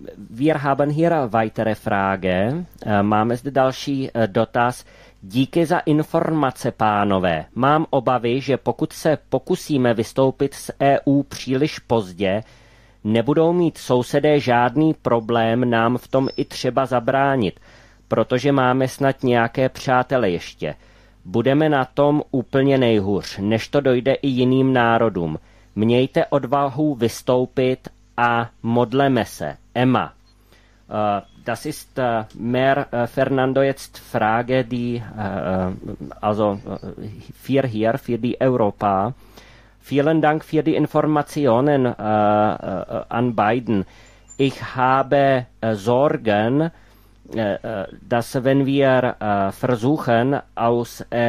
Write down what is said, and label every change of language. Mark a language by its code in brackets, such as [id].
[de] Wir haben hier weitere Frage. [cs] Máme zde další dotaz. Díky za informace, pánové. Mám obavy, že pokud se pokusíme vystoupit z EU příliš pozdě, nebudou mít sousedé žádný problém nám v tom i třeba zabránit, protože máme snad nějaké přátele ještě. Budeme na tom úplně nejhůř, než to dojde i jiným národům. Mějte odvahu vystoupit a modleme se. Emma. [de] Das ist mehr Fernando jetzt Frage, die also für hier, für die Europa. Vielen Dank für die Informationen an beiden. Ich habe Sorgen, dass wenn wir versuchen, aus